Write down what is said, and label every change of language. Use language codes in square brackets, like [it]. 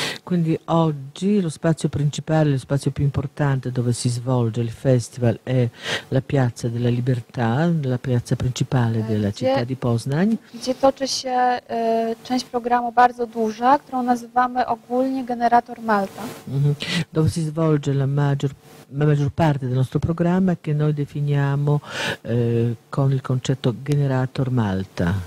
[it] Quindi oggi lo spazio principale, lo spazio più importante dove si svolge il festival è la Piazza della Libertà, la piazza principale della città di Poznań. [pl] Gdzie toczy się część programu bardzo duża, którą nazywamy ogólnie Generator Malta. [it] Dove si svolge la maggior parte del nostro programma che noi definiamo con il concetto Generator Malta.